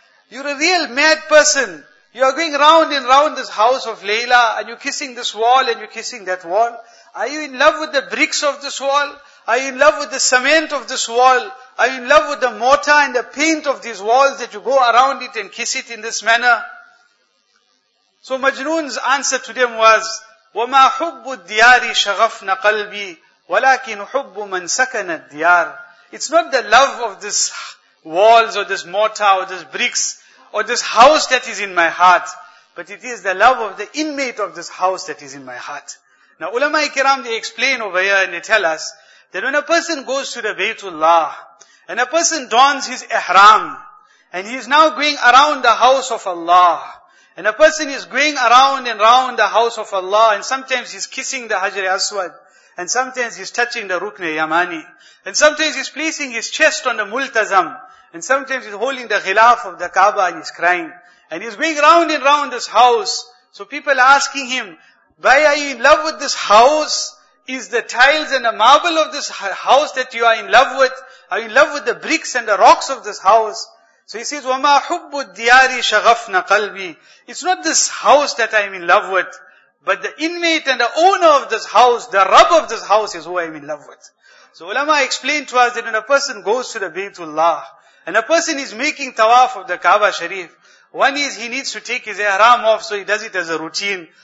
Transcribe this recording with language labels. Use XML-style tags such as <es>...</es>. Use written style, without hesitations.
<en>You're a real mad person. You are going round and round this house of Layla, and you're kissing this wall and you're kissing that wall. Are you in love with the bricks of this wall? Are you in love with the cement of this wall? Are you in love with the mortar and the paint of these walls that you go around it and kiss it in this manner? So Majnoon's answer to them was,</en> <ar>وَمَا حُبُّ الدِّيَارِ شَغَفْنَ قَلْبِي وَلَكِنْ حُبُّ مَنْ سَكَنَ الدِّيَارِ.</ar> <en>It's not the love of this walls or this mortar or this bricks or this house that is in my heart, but it is the love of the inmate of this house that is in my heart. Now ulama-i kiram, they explain over here and they tell us that when a person goes to the Baytullah and a person dons his ihram and he is now going around the house of Allah, and a person is going around and round the house of Allah, and sometimes he's kissing the Hajar-i Aswad, and sometimes he's touching the Rukn-i Yamani, and sometimes he's placing his chest on the Multazam, and sometimes he's holding the Ghilaf of the Kaaba and he's crying, and he's going round and round this house. So people are asking him, why are you in love with this house? Is the tiles and the marble of this house that you are in love with? Are you in love with the bricks and the rocks of this house? So he says,</en> <ar>وَمَا حُبُّ الدِّيَارِ شَغَفْنَ قَلْبِي.</ar> <en>It's not this house that I'm in love with, but the inmate and the owner of this house, the Rabb of this house is who I'm in love with. So ulama explained to us that when a person goes to the Baytullah, and a person is making tawaf of the Kaaba Sharif, one is he needs to take his ihram off, so he does it as a routine.</en>